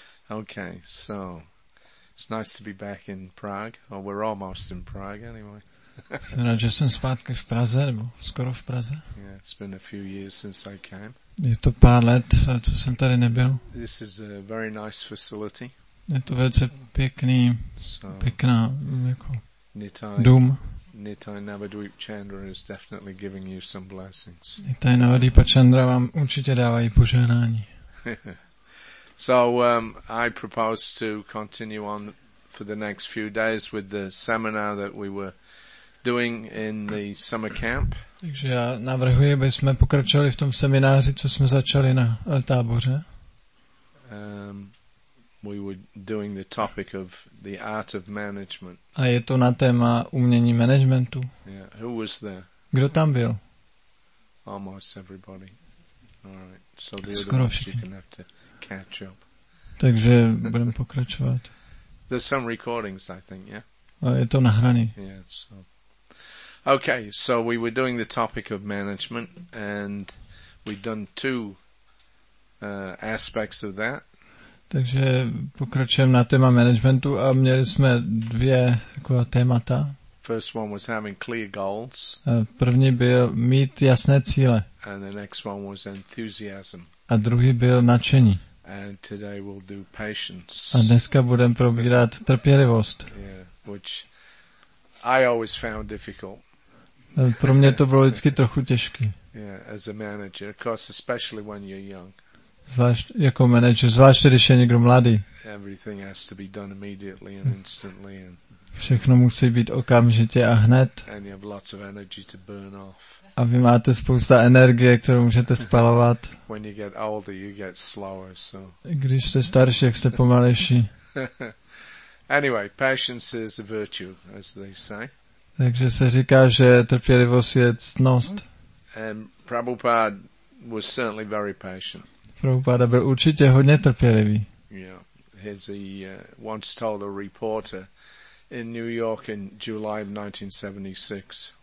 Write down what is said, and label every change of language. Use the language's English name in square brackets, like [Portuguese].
[English] Okay, so it's nice to be back in Prague. Or well, we're almost in Prague anyway. [Czech] Jsem rád, že jsem zpátky v Praze, nebo skoro v Praze. [English] Yeah, it's been a few years since I came. [Czech] Je to pár let, co jsem tady nebyl. [English] This is a very nice facility. [Czech] Je to velice pěkný, pěkná jako dům. [English] Nitai Navadvipa Chandra is definitely giving you some blessings. [Czech] Nitai Navadvipa Chandra vám určitě dávají požehnání. [English] So I propose to continue on for the next few days with the seminar that we were doing in the summer camp. [Czech] Takže já navrhuji, aby jsme pokračovali v tom semináři, co jsme začali na táboře. [English] We were doing the topic of the art of management. [Czech] A je to na téma umění managementu. [English] Yeah. Who was there? [Czech] Kdo tam byl? [English] Almost everybody. All right. So the [Czech] skoro [English] other ones, you can have to catch up. [Czech] Takže budeme pokračovat. [English] There's some recordings, I think, yeah. [Czech] A je to nahraný. [English] Yeah, so. Okay, so we were doing the topic of management and we've done two aspects of that. [Czech] Takže pokračujeme na téma managementu a měli jsme dvě taková témata. [English] First one was having clear goals. [Czech] První byl mít jasné cíle. [English] And the next one was enthusiasm. [Czech] A druhý byl nadšení. [English] And today we'll do patience. [Czech] A dneska budeme probírat trpělivost. [English] Yeah, which I always found difficult. [Czech] Pro mě to bylo vždycky trochu těžké. [English] Yeah, as a manager, of course, especially when you're young. [Czech] Zvlášť jako manager, zvlášť když je někdo mladý. [English] Everything has to be done immediately and instantly. And [Czech] všechno musí být okamžitě a hned. [English] And you have lots of energy to burn off. [Czech] A vy máte spousta energie, kterou můžete spalovat. [English] When you get older, you get slower, so. [Czech] Když jste starší, jak jste pomalejší. [English] Anyway, patience is a virtue, as they say. [Czech] Takže se říká, že trpělivost je ctnost. [English] And Prabhupada was certainly very patient. [Czech] Prabhupada byl určitě hodně trpělivý. [English] Yeah, as he once told a reporter in New York in July of 1976.